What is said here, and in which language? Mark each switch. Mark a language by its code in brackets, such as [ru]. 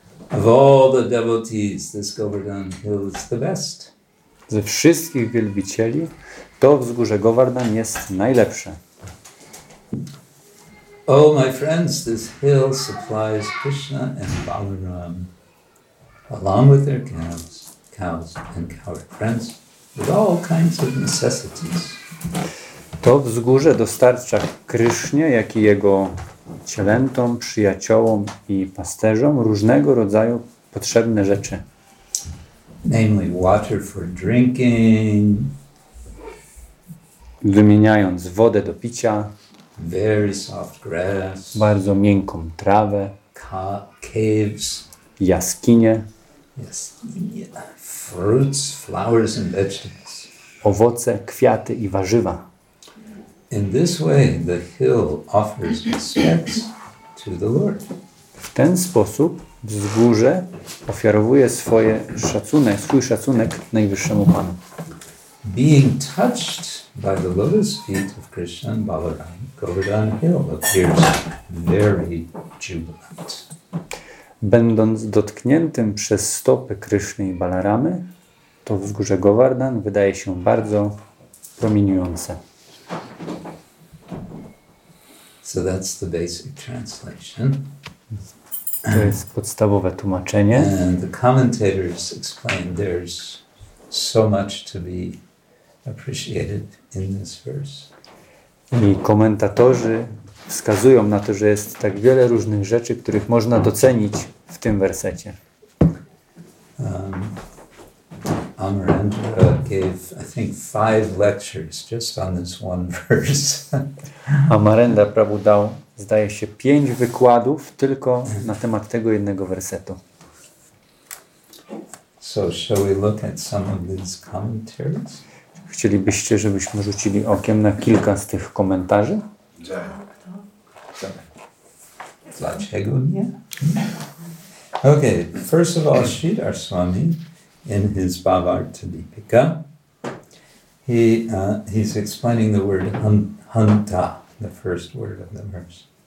[en] Of all the devotees, this Govardhan Hill is the best. [pl] Ze wszystkich wielbicieli, to wzgórze Govardhan jest najlepsze. [en] Oh, my friends, this hill supplies Krishna and Balaram, along with their cows and cowherd friends, with all kinds of necessities. [pl] To wzgórze dostarcza Krishnie, jak i jego cielętom, przyjaciołom i pasterzom różnego rodzaju potrzebne rzeczy. [en] Namely water for drinking. [pl] Wymieniając wodę do picia. [en] Very soft grass. [pl] Bardzo miękką trawę. [en] Caves. [pl] Jaskinie. [en] Yes. Fruits, flowers and vegetables. [pl] Owoce, kwiaty i warzywa. [en] In this way, the hill offers respects to the Lord. [pl] W ten sposób wzgórze ofiarowuje swoje szacunek, swój szacunek najwyższemu Panu. [en] Being touched by the lotus feet of Krishna and Balaram, Govardhan Hill appears very jubilant. [pl] Będąc dotkniętym przez stopy Krishny i Balaramy, to wzgórze Govardhan wydaje się bardzo promieniujące. [en] So that's the basic translation. [pl] To jest podstawowe tłumaczenie. [en] And the commentators explain there's so much to be appreciated in this verse. [pl] I komentatorzy wskazują na to, że jest tak wiele różnych rzeczy, których można docenić w tym wersecie. [en] Amarendra gave, I think, 5 lectures just on this one verse. [pl] Amarendra Prabhu dał, zdaje się, 5 wykładów tylko na temat tego jednego wersetu. [en] So, shall we look at some of these commentaries? [pl] Chcielibyście, żebyśmy rzucili okiem na kilka z tych komentarzy? Tak. Dlaczego nie? [en] Okay, first of all, Sridhar Swami, in his Bhavartha Deepika, he's explaining the word hanta, the first word of the verse.